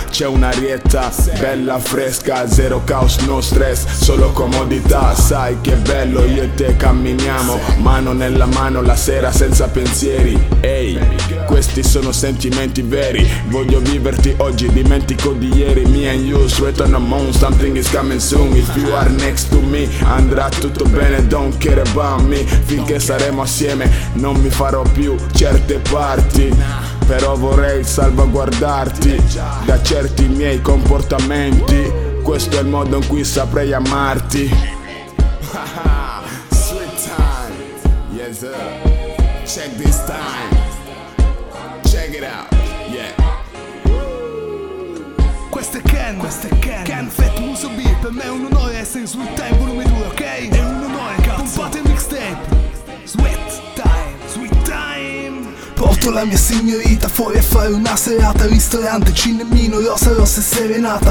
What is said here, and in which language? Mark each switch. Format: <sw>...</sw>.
<it>C'è un'arietta bella fresca, zero caos, no stress, solo comodità. Sai che bello, io e te camminiamo mano nella mano la sera senza pensieri. Ehi, questi sono sentimenti veri. Voglio viverti oggi, dimentico di ieri.</it> <en>Me and you, sweat on the moon, something is coming soon. If you are next to me,</en> <it>andrà tutto bene,</it> <en>don't care about me,</en> <it>finché saremo assieme non mi farò più certe parti, però vorrei salvaguardarti da certi miei comportamenti. Questo è il modo in cui saprei amarti.</it> <en>Sweet time, yes sir. Check this time, check it out, yeah.</en> <it>Questo è Ken, questo è Ken, Ken Fat Muso B. Per me è un onore essere sul time volume 2, ok? È un onore, cazzo. Pompate mixtape.</it> <en>Sweet time, sweet time.</en> <it>Porto la mia signorita fuori a fare una serata. Ristorante, cinemino, rosa, rossa e serenata.</it>